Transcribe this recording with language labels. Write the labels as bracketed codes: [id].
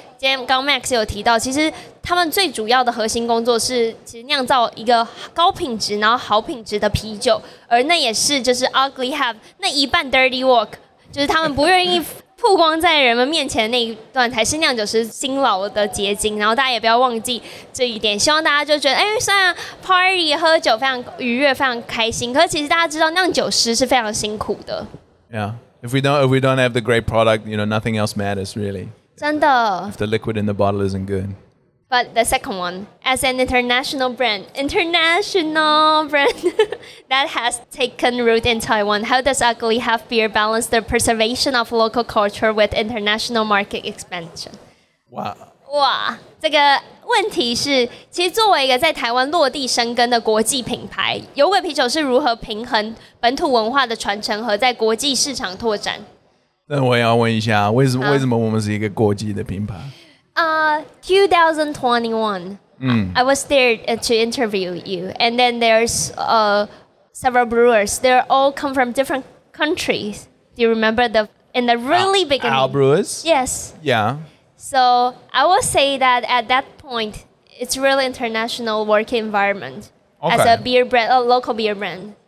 [zh] 今天刚 Max 有提到，其实他们最主要的核心工作是其实酿造一个高品质然后好品质的啤酒，而那也是就是 Ugly Half 那一半 Dirty Work， 就是他们不愿意曝光在人们面前的那一段才是酿酒师辛劳的结晶，然后大家也不要忘记这一点。希望大家就觉得，哎，虽然 party 喝酒非常愉悦、非常开心，可是其实大家知道酿酒师是非常辛苦的。 [en] Yeah, if we don't have the great product, you know, nothing else matters really. [zh] 真的。 [en] If the liquid in the bottle isn't good. But the second one, as an international brand that has taken root in Taiwan, how does Ugly Half Beer balance the preservation of local culture with international market expansion? Wow. Wow. [zh] 这个问题是，其实作为一个在台湾落地生根的国际品牌，有鬼啤酒是如何平衡本土文化的传承和在国际市场拓展？那我要问一下，为什么我们是一个国际的品牌？ [en] 2021, I was there to interview you, and then there's several brewers. They're all come from different countries. Do you remember the in the really beginning? Our brewers? Yes. Yeah. So I will say that at that point, it's really international work environment as a beer brand, a local beer brand.